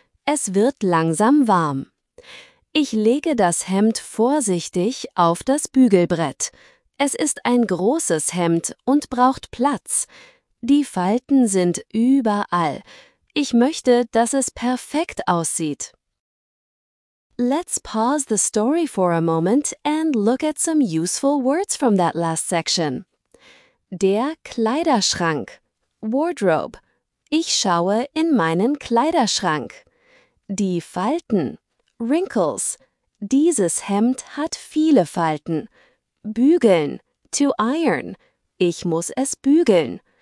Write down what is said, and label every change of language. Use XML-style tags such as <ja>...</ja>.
<de>Es wird langsam warm. Ich lege das Hemd vorsichtig auf das Bügelbrett. Es ist ein großes Hemd und braucht Platz. Die Falten sind überall. Ich möchte, dass es perfekt aussieht.</de> <en>Let's pause the story for a moment and look at some useful words from that last section.</en> <de>Der Kleiderschrank. Wardrobe. Ich schaue in meinen Kleiderschrank. Die Falten. Wrinkles. Dieses Hemd hat viele Falten. Bügeln. To iron. Ich muss es bügeln.</de>